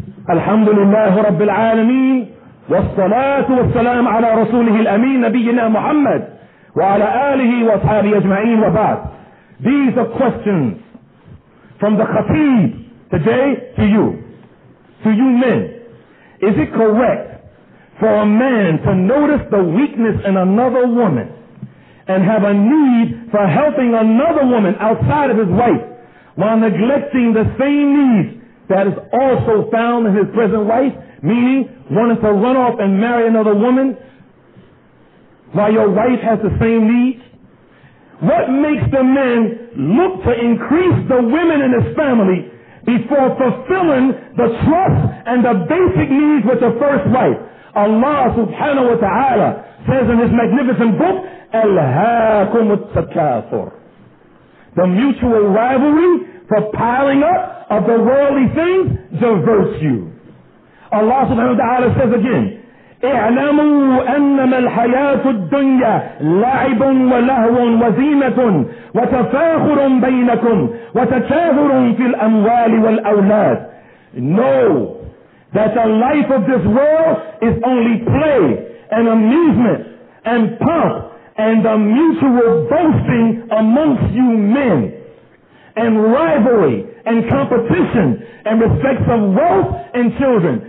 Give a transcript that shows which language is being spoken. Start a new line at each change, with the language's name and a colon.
Arabic: الحمد لله رب العالمين والصلاة والسلام على رسوله الأمين نبينا محمد وعلى آله وصحابه أجمعين وبعد.
English: These are questions from the Khatib today to you men. Is it correct for a man to notice the weakness in another woman and have a need for helping another woman outside of his wife while neglecting the same needs that is also found in his present wife, meaning wanting to run off and marry another woman while your wife has the same needs? What makes the men look to increase the women in his family before fulfilling the trust and the basic needs with the first wife? Allah subhanahu wa ta'ala says in his magnificent book, Al-Hakum al-Takafur. The mutual rivalry for piling up of the worldly things diverts you. Allah subhanahu wa ta'ala says again,
Arabic: اعلموا أنما الحياة الدنيا لعب ولهو وزينة وتفاخر بينكم وتكاثر في الأموال والأولاد.
English: Know that the life of this world is only play and amusement and pomp and the mutual boasting amongst you men, and rivalry and competition and respect of wealth and children.